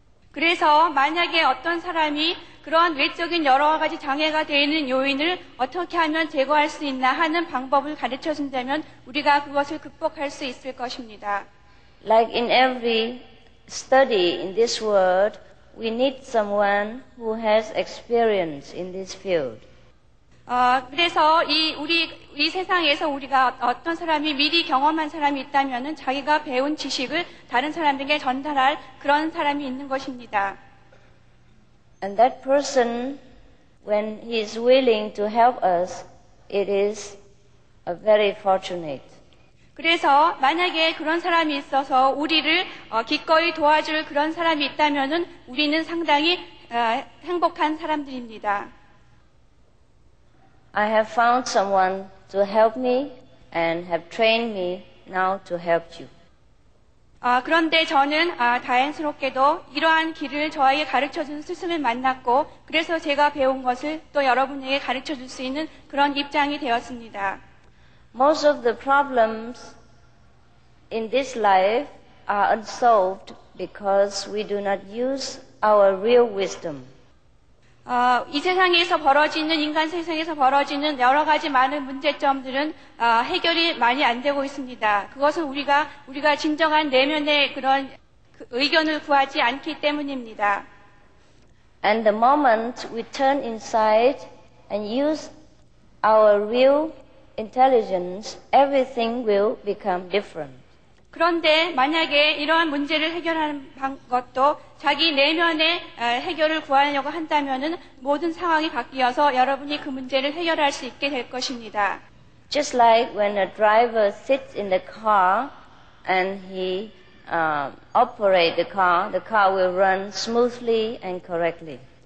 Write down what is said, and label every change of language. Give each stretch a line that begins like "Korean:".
Korean: 그래서 만약에 어떤 사람이 그러한 외적인 여러 가지 장애가 되어 있는 요인을 어떻게 하면 제거할 수 있나 하는 방법을 가르쳐 준다면 우리가 그것을 극복할 수 있을 것입니다.
English: Like in every study in this world, we need someone who has experience in this field.
Korean: 그래서 이 세상에서 우리가 어떤 사람이 미리 경험한 사람이 있다면은 자기가 배운 지식을 다른 사람에게 전달할 그런 사람이 있는 것입니다.
English: And that person, when he is willing to help us, it is a very fortunate.
Korean: 그래서 만약에 그런 사람이 있어서 우리를 기꺼이 도와줄 그런 사람이 있다면은 우리는 상당히 행복한 사람들입니다.
English: I have found someone to help me and have trained me now to help you.
Korean: 그런데 저는 다행스럽게도 이러한 길을 저에게 가르쳐준 스승을 만났고 그래서 제가 배운 것을 또 여러분에게 가르쳐줄 수 있는 그런 입장이 되었습니다.
English: Most of the problems in this life are unsolved because we do not use our real wisdom.
Korean: 이 세상에서 벌어지는, 인간 세상에서 벌어지는 여러 가지 많은 문제점들은 해결이 많이 안 되고 있습니다. 그것은 우리가 진정한 내면의 그런 의견을 구하지 않기 때문입니다.
English: And the moment we turn inside and use our real intelligence, everything will become different.
Korean: 그런데 만약에 이러한 문제를 해결하는 것도 자기 내면의 해결을 구하려고 한다면은 모든 상황이 바뀌어서 여러분이 그 문제를 해결할 수 있게 될 것입니다.
English: Just like when a driver sits in the car and he operate the car will run smoothly and correctly.